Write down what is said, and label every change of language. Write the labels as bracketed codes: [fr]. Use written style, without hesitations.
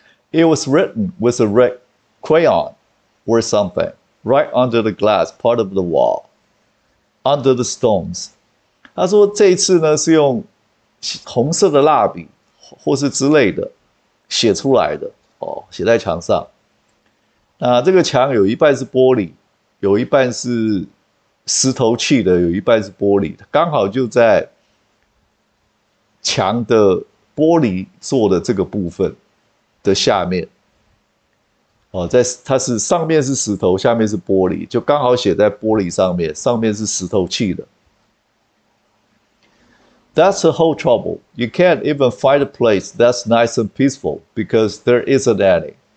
[en] It was written with a red crayon or something right under the glass part of the wall, under the stones。 [zh] 他说这一次呢是用红色的蜡笔。或是之类的，写出来的哦，写在墙上。那这个墙有一半是玻璃，有一半是石头砌的，有一半是玻璃，刚好就在墙的玻璃做的这个部分的下面。哦，在它是上面是石头，下面是玻璃，就刚好写在玻璃上面，上面是石头砌的。 [en] That's the whole trouble. You can't even find a place that's nice and peaceful because there isn't any.